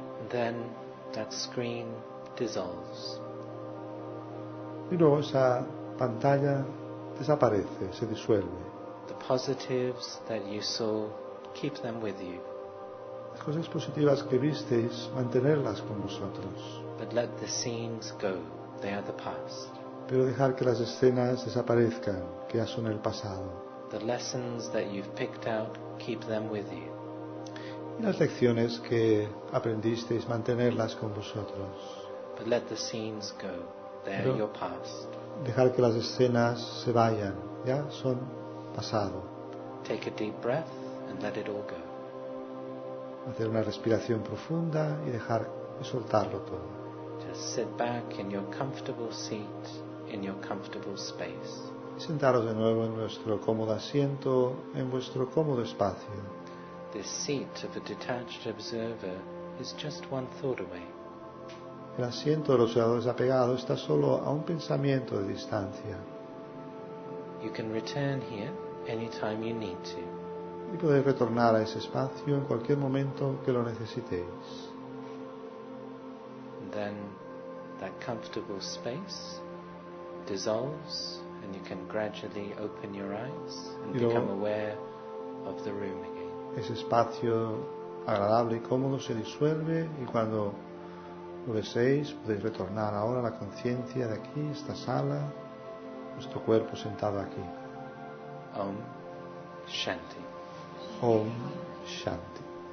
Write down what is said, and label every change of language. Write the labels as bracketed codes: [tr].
[en] then that screen dissolves. [es] Y luego esa pantalla desaparece, se disuelve. [en] The positives that you saw, keep them with you. [es] Las cosas positivas que visteis, mantenerlas con vosotros. [en] But let the scenes go, they are the past. [es] Pero dejar que las escenas desaparezcan, que ya son el pasado. [en] The lessons that you've picked out, keep them with you. [es] Y las lecciones que aprendisteis, mantenerlas con vosotros. [en] But let the scenes go, they are your past. [es] Dejar que las escenas se vayan, ya son pasado. [en] Take a deep breath and let it all go. [es] Hacer una respiración profunda y dejar y soltarlo todo. [en] Just sit back in your comfortable seat, in your comfortable space. [es] Y sentaros de nuevo en vuestro cómodo asiento, en vuestro cómodo espacio. [en] This seat of a detached observer is just one thought away. [es] El asiento del observador desapegado está solo a un pensamiento de distancia. [en] You can return here anytime you need to. [es] Y podéis retornar a ese espacio en cualquier momento que lo necesitéis. [en] Then that comfortable space dissolves and you can gradually open your eyes and become aware of the room again. [es] Ese espacio agradable y cómodo se disuelve y cuando lo deseéis podéis retornar ahora a la conciencia de aquí, esta sala, vuestro cuerpo sentado aquí. [sa] Om Shanti. Om Shanti.